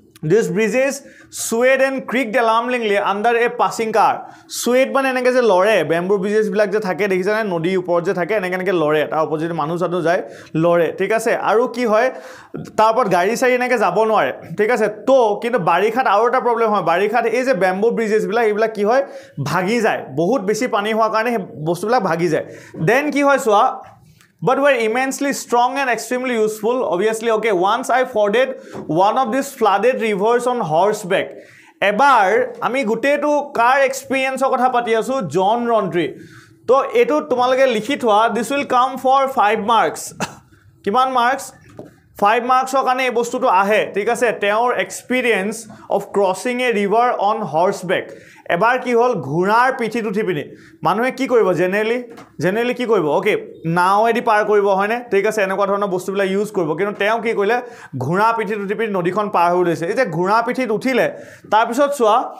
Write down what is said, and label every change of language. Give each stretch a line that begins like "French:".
English: these bridges swayed and creak alarmingly under a passing car
Assamese: চুৱেড মানে এনেকৈ যে লৰে বেম্বু ব্ৰিজেছবিলাক যে থাকে দেখিছানে নদীৰ ওপৰত যে থাকে এনেকৈ এনেকৈ লৰে তাৰ অপজিট মানুহ চানুহ যায় লৰে ঠিক আছে আৰু কি হয় তাৰ ওপৰত গাড়ী চাড়ী এনেকৈ যাব নোৱাৰে ঠিক আছে তো কিন্তু বাৰিষাত আৰু এটা প্ৰব্লেম হয় বাৰিষাত এই যে বেম্বু ব্ৰিজেছবিলাক এইবিলাক কি হয় ভাগি যায় বহুত বেছি পানী হোৱাৰ কাৰণে সেই বস্তুবিলাক ভাগি যায় দেন কি হয় চোৱা
English: But were immensely strong and extremely useful. Obviously, okay, once I forded one of these flooded rivers on horseback.
Assamese: এবাৰ আমি গোটেইটো কাৰ এক্সপিৰিয়েঞ্চৰ কথা পাতি আছোঁ জন ৰণ্ট্ৰী তো এইটো তোমালোকে লিখি থোৱা
English: this will come for five marks
Assamese: কিমান মাৰ্কছ ফাইভ মাৰ্কছৰ কাৰণে এই বস্তুটো আহে ঠিক আছে তেওঁৰ
English: experience of crossing a river on horseback
Assamese: এবাৰ কি হ'ল ঘোঁৰাৰ পিঠিত উঠি পিনি মানুহে কি কৰিব জেনেৰেলি কি কৰিব অ'কে নাৱেদি পাৰ কৰিব হয়নে ঠিক আছে এনেকুৱা ধৰণৰ বস্তুবিলাক ইউজ কৰিব কিন্তু তেওঁ কি কৰিলে ঘোঁৰা পিঠিত উঠি পিনি নদীখন পাৰ হৈ লৈছে এতিয়া ঘোঁৰা পিঠিত উঠিলে তাৰপিছত চোৱা